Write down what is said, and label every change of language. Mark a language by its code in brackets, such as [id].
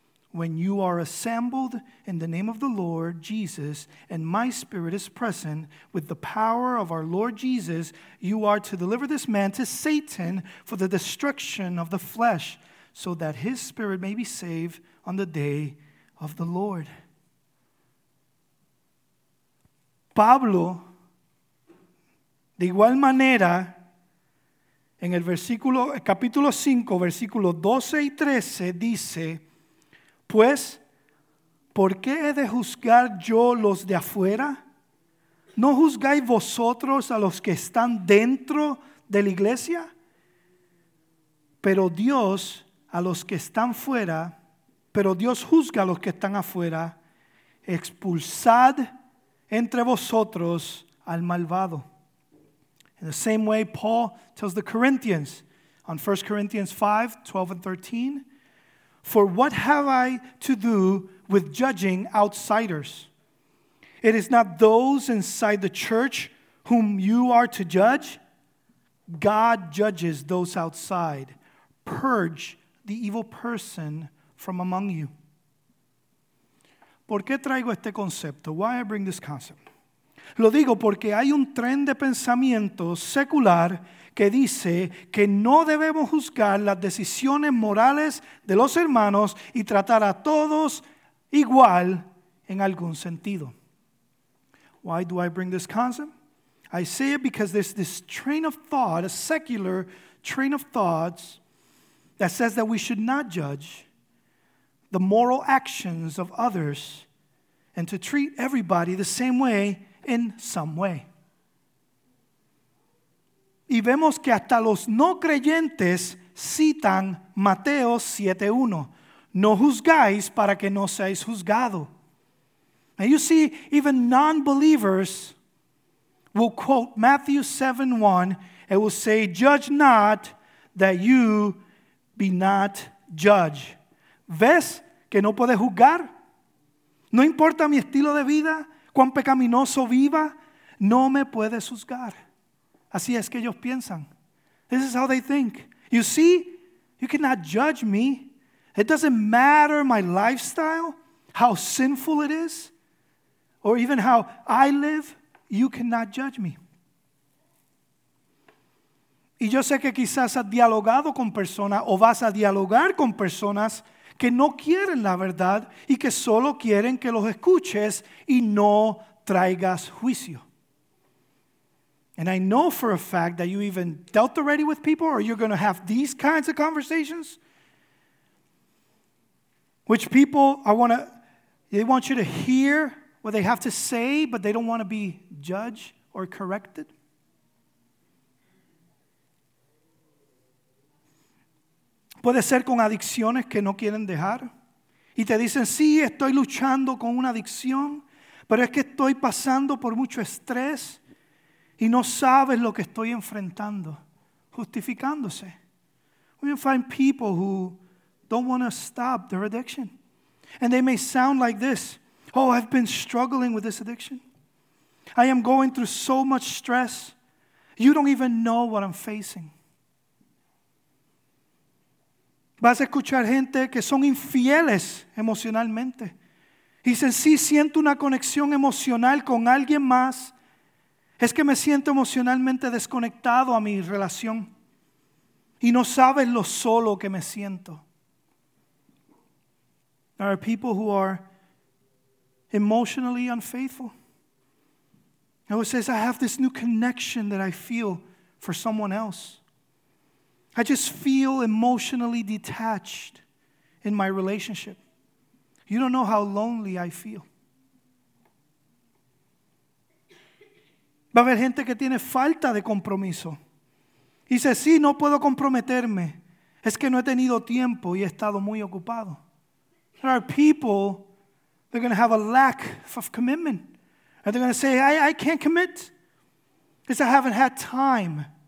[en] When you are assembled in the name of the Lord Jesus, and my spirit is present with the power of our Lord Jesus, you are to deliver this man to Satan for the destruction of the flesh, so that his spirit may be saved on the day of the Lord. [es] Pablo, de igual manera, en el versículo, capítulo 5, versículos 12 y 13, dice, pues, ¿por qué he de juzgar yo los de afuera? ¿No juzgáis vosotros a los que están dentro de la iglesia? Pero Dios a los que están fuera, pero Dios juzga a los que están afuera, expulsad entre vosotros al malvado. [en] In the same way, Paul tells the Corinthians on 1 Corinthians 5, 12 and 13, for what have I to do with judging outsiders? It is not those inside the church whom you are to judge. God judges those outside. Purge the evil person from among you. [es] ¿Por qué traigo este concepto? [en] Why I bring this concept? [es] Lo digo porque hay un tren de pensamiento secular que dice que no debemos juzgar las decisiones morales de los hermanos y tratar a todos igual en algún sentido. [en] Why do I bring this concept? I say it because there's this train of thought, a secular train of thoughts, that says that we should not judge the moral actions of others and to treat everybody the same way in some way. [es] Y vemos que hasta los no creyentes citan Mateo 7:1. No juzgáis para que no seáis juzgado. [en] And you see, even non-believers will quote Matthew 7:1. It will say, "Judge not that you be not judged." [es] ¿Ves que no puedes juzgar? No importa mi estilo de vida, cuán pecaminoso viva, no me puedes juzgar. Así es que ellos piensan. [en] This is how they think. You see, you cannot judge me. It doesn't matter my lifestyle, how sinful it is, or even how I live, you cannot judge me. [es] Y yo sé que quizás has dialogado con personas o vas a dialogar con personas que no quieren la verdad y que solo quieren que los escuches y no traigas juicio. [en] And I know for a fact that you even dealt already with people or you're going to have these kinds of conversations. Which people, they want you to hear what they have to say, but they don't want to be judged or corrected. [es] Puede ser con adicciones que no quieren dejar. Y te dicen, sí, estoy luchando con una adicción, pero es que estoy pasando por mucho estrés y no sabes lo que estoy enfrentando. Justificándose. [en] We find people who don't want to stop their addiction. And they may sound like this. Oh, I've been struggling with this addiction. I am going through so much stress. You don't even know what I'm facing. [es] Vas a escuchar gente que son infieles emocionalmente. Dicen, sí, siento una conexión emocional con alguien más. Es que me siento emocionalmente desconectado a mi relación. Y no sabes lo solo que me siento. [en] There are people who are emotionally unfaithful. And who says, I have this new connection that I feel for someone else. I just feel emotionally detached in my relationship. You don't know how lonely I feel. [es] Va a haber gente que tiene falta de compromiso. Dice, sí, no puedo comprometerme. Es que no he tenido tiempo y he estado muy ocupado. [en] There are people, they're going to have a lack of commitment. And they're going to say, I can't commit because I haven't had time.